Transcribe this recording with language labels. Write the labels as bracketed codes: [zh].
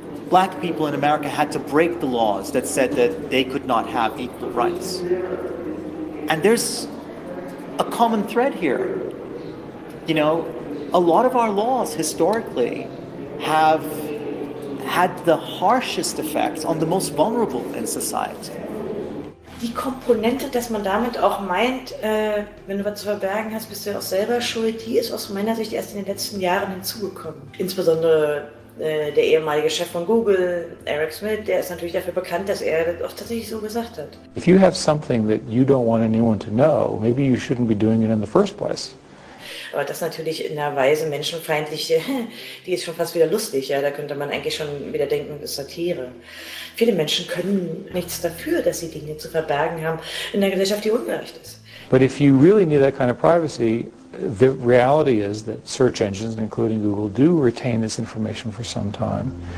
[en] Black people in America had to break the laws that said that they could not have equal rights. And there's a common thread here. You know, a lot of our laws historically have had the harshest effects on the most vulnerable in society. [de] Die Komponente, dass man damit auch meint, wenn du was zu verbergen hast, bist du auch selber schuld, die ist aus meiner Sicht erst in den letzten Jahren hinzugekommen. Insbesondere der ehemalige Chef von Google, Eric Schmidt, der ist natürlich dafür bekannt, dass er das auch tatsächlich so gesagt hat. [en] If you have something that you don't want anyone to know, maybe you shouldn't be doing it in the first place. [de] Aber das natürlich in einer Weise menschenfeindlich, die ist schon fast wieder lustig. Ja? Da könnte man eigentlich schon wieder denken, das ist Satire. Viele Menschen können nichts dafür, dass sie Dinge zu verbergen haben in einer Gesellschaft, die ungerecht ist. [en] But if you really need that kind of privacy, the reality is that search engines, including Google, do retain this information for some time.